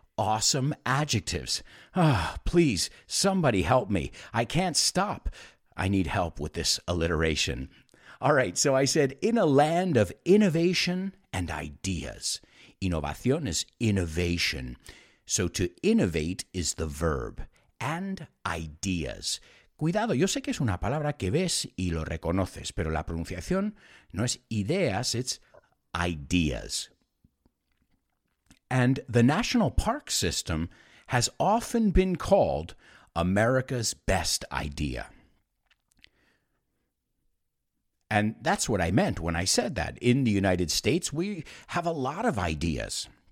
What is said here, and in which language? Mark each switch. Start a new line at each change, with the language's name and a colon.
English: Awesome adjectives. Oh, please, somebody help me. I can't stop. I need help with this alliteration. All right. So I said, in a land of innovation and ideas. Innovación is innovation. So to innovate is the verb. And ideas.
Spanish: Cuidado, yo sé que es una palabra que ves y lo reconoces, pero la pronunciación no es ideas,
English: it's ideas. And the national park system has often been called America's best idea. And that's what I meant when I said that. In the United States, we have a lot of ideas.